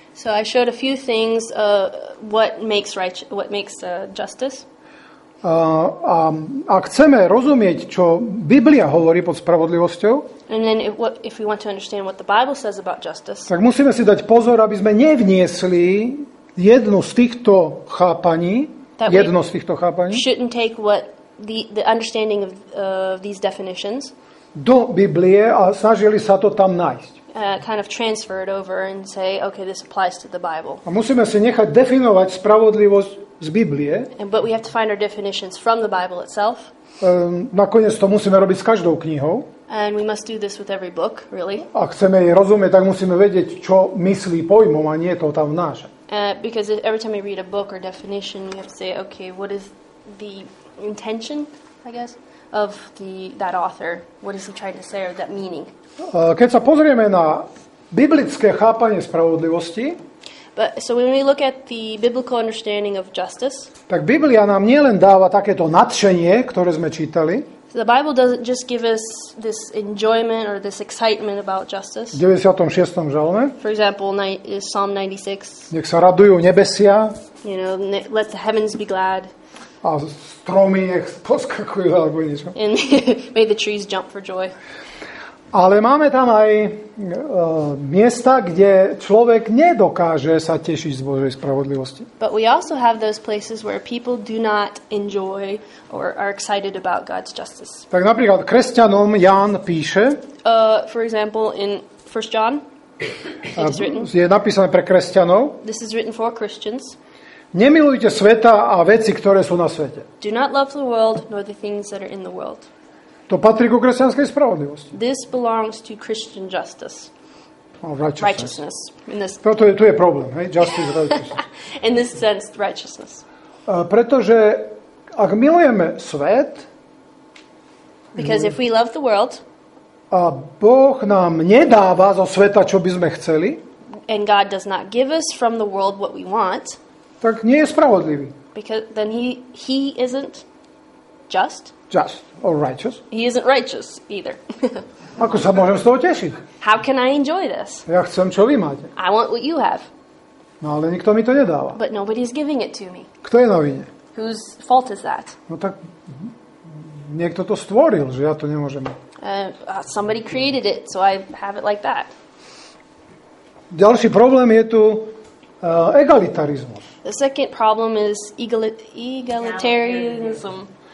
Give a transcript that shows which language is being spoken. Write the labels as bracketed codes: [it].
[en] So I showed a few things what makes justice. [sk] A chceme rozumieť, čo Biblia hovorí pod spravodlivosťou. [en] And then if we want to understand what the Bible says about justice. [sk] Tak musíme si dať pozor, aby sme nevniesli jedno z týchto chápaní. [en] Shouldn't take what the understanding of these definitions. [sk] do Biblie a snažili sa to tam nájsť. [en] Kind of transfer it over and say, okay, this applies to the Bible. [sk] A musíme si nechať definovať spravodlivosť z Biblie. [en] But we have to find our definitions from the Bible itself. [sk] Nakoniec to musíme robiť s každou knihou. [en] And we must do this with every book, really. [sk] Ak chceme jej rozumieť, tak musíme vedieť, čo myslí pojmom a nie to tam vnášať. [en] Because every time we read a book or definition, we have to say, okay, what is the intention, I guess, of the that author? What is he trying to say or that meaning? [sk] Keď sa pozrieme na biblické chápanie spravodlivosti, [en] but, so when we look at the biblical understanding of justice, [sk] tak Biblia nám nielen dáva takéto nadšenie, ktoré sme čítali, [en] the Bible doesn't just give us this enjoyment or this excitement about justice. [sk] V 96. žalme. [en] For example, Psalm 96. [sk] Nech sa radujú nebesia. [en] You know, let the heavens be glad. [sk] A stromy nech poskakujú alebo niečo. [en] And may the trees jump for joy. [sk] Ale máme tam aj miesta, kde človek nedokáže sa tešiť z Božej spravodlivosti. [en] But we also have those places where people do not enjoy or are excited about God's justice. [sk] Tak napríklad kresťanom Ján píše. [en] For example, in 1 John, [sk] je napísané pre kresťanov. [en] This is written for Christians. [sk] Nemilujte sveta a veci, ktoré sú na svete. [en] Do not love the world nor the things that are in the world. [sk] To patrí ku kresťanskej spravodlivosti. [en] This belongs to Christian justice. [sk] Righteousness. Preto tu je problém, hej? Justice, righteousness. [en] In this sense, righteousness. [sk] Pretože ak milujeme svet, [en] because if we love the world, [sk] a Boh nám nedáva zo sveta, čo by sme chceli, [en] and God does not give us from the world what we want, [sk] tak nie je spravodlivý. [en] Because then he isn't just. Just or righteous? He isn't righteous either. [sk] Ako sa môžem z toho tešiť? [en] How can I enjoy this? [sk] Ja chcem, čo vy máte. [en] I want what you have. [sk] No, ale nikto mi to nedáva. [en] But nobody's giving it to me. [sk] Kto je na vine? [en] Whose fault is that? [sk] No tak niekto to stvoril, že ja to nemôžem. [en] Somebody created it, so I have it like that. [sk] Ďalší problém je tu egalitarizmus. [en] The second problem is egalitarianism.